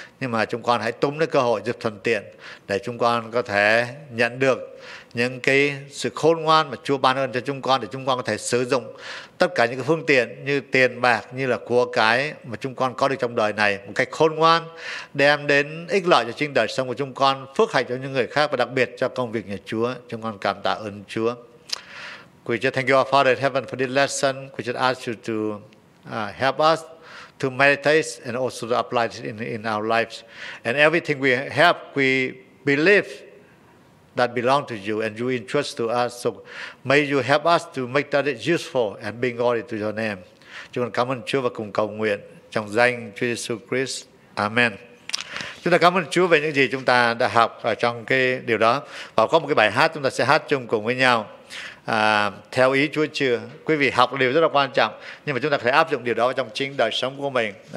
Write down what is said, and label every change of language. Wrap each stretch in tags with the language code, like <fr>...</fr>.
<vi>Nhưng mà chúng con hãy túm lấy cơ hội, dịp thuận tiện để chúng con có thể nhận được những cái sự khôn ngoan mà Chúa ban ơn cho chúng con, để chúng con có thể sử dụng tất cả những cái phương tiện như tiền bạc, như là của cái mà chúng con có được trong đời này một cách khôn ngoan, đem đến ích lợi cho chính đời sống của chúng con, phước hạnh cho những người khác và đặc biệt cho công việc nhà Chúa. Chúng con cảm tạ ơn Chúa.</vi> <en>We just thank you, our Father in heaven, for this lesson. We just ask you to help us to meditate and also to apply it in our lives. And everything we have, we believe that belong to you and you entrust to us. So may you help us to make that useful and bring glory to your name.</en> <vi>Chúng con cảm ơn Chúa và cùng cầu nguyện trong danh Chúa Giêsu Christ. Amen. Chúng ta cảm ơn Chúa về những gì chúng ta đã học ở trong cái điều đó. Và có một cái bài hát chúng ta sẽ hát chung cùng với nhau. Theo ý Chúa chưa? Quý vị học điều rất là quan trọng, nhưng mà chúng ta có thể áp dụng điều đó trong chính đời sống của mình.</vi>